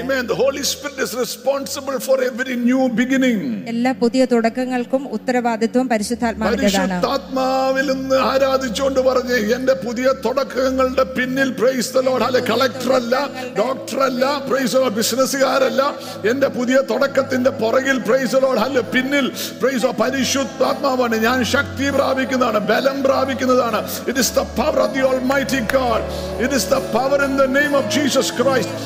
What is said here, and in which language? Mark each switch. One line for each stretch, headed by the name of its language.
English: The Holy Spirit is responsible for every new beginning.
Malayalam: എല്ലാ പുതിയ തുടക്കങ്ങൾക്കും ഉത്തരവാദിത്വം പരിശുദ്ധാത്മാവിന്റേതാണ്. പരിശുദ്ധാത്മാവിൽ നിന്ന് ആരാധിച്ചുകൊണ്ട് പറഞ്ഞു എന്റെ പുതിയ തുടക്കങ്ങളുടെ പിന്നിൽ
English: praise the lord
Malayalam: അല്ല കളക്ടർ അല്ല ഡോക്ടർ അല്ല പ്രൈസ് ദി ലോർഡ് ബിസിനസ്സുകാരല്ല എന്റെ പുതിയ തുടക്കത്തിന്റെ പുറകിൽ പ്രൈസ് ദി ലോർഡ് അല്ല പിന്നിൽ പ്രൈസ് ദി ലോർഡ് പരിശുദ്ധാത്മാവാണ്. ഞാൻ ശക്തി പ്രാപിക്കുന്നതാണ് ബലം പ്രാപിക്കുന്നതാണ്.
English: It is the power of the Almighty God. It is the power in the name of Jesus Christ.